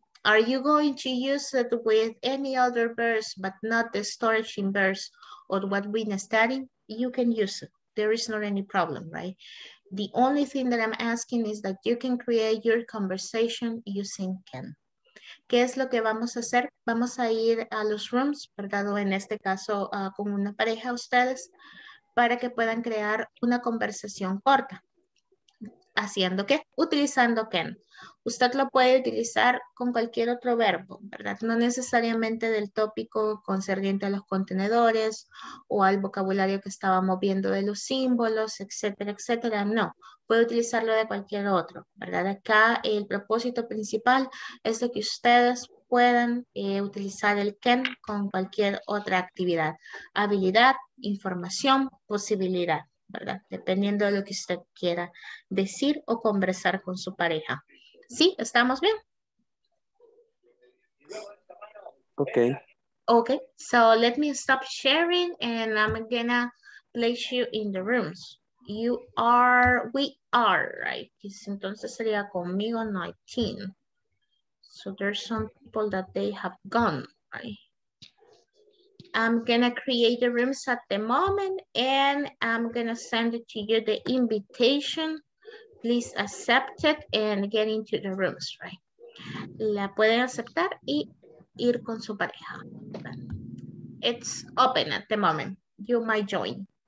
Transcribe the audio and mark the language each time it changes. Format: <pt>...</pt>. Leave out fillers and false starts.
<en>Are you going to use it with any other verbs, but not the astonishing verbs or what we're studying? You can use it. There is not any problem, right? The only thing that I'm asking is that you can create your conversation using can.</en> <es>¿Qué es lo que vamos a hacer? Vamos a ir a los rooms, ¿verdad? En este caso, con una pareja ustedes, para que puedan crear una conversación corta. ¿Haciendo qué? Utilizando can. Usted lo puede utilizar con cualquier otro verbo, ¿verdad? No necesariamente del tópico concerniente a los contenedores o al vocabulario que estábamos viendo de los símbolos, etcétera, etcétera. No, puede utilizarlo de cualquier otro, ¿verdad? Acá el propósito principal es de que ustedes puedan utilizar el can con cualquier otra actividad. Habilidad, información, posibilidad, ¿verdad? Dependiendo de lo que usted quiera decir o conversar con su pareja. ¿Sí? ¿Estamos bien?</es> <en>Okay. Okay, so let me stop sharing and I'm gonna place you in the rooms. You are, we are, right?</en> <es>Entonces sería conmigo 19.</es> <en>So there's some people that they have gone, right? I'm gonna create the rooms at the moment and I'm gonna send it to you the invitation. Please accept it and get into the rooms, right?</en> <es>La pueden aceptar y ir con su pareja.</es> <en>It's open at the moment. You might join.</en>